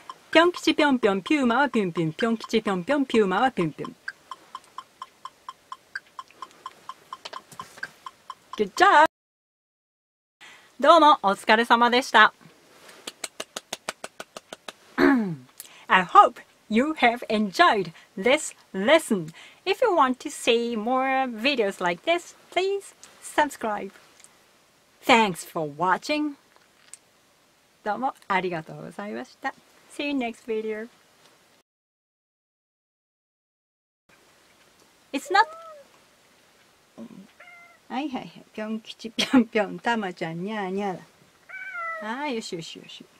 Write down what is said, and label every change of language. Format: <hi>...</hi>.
<ja>ぴょん吉ぴょんぴょん、ピューマはピュンピュン。ぴょん吉ぴょんぴょん、ピューマはピュンピュン。</ja> <en>Good job!</en> <ja>どうもお疲れ様でした。</ja> <en>I hope you have enjoyed this lesson. If you want to see more videos like this, please subscribe. Thanks for watching.</en> <ja>どうもありがとうございました。</ja> <en>See you next video. It's not...</en> <ja>はいはいはい。ぴょん吉ぴょんぴょん。たまちゃんにゃーにゃーだ。あー、よしよしよし。</ja>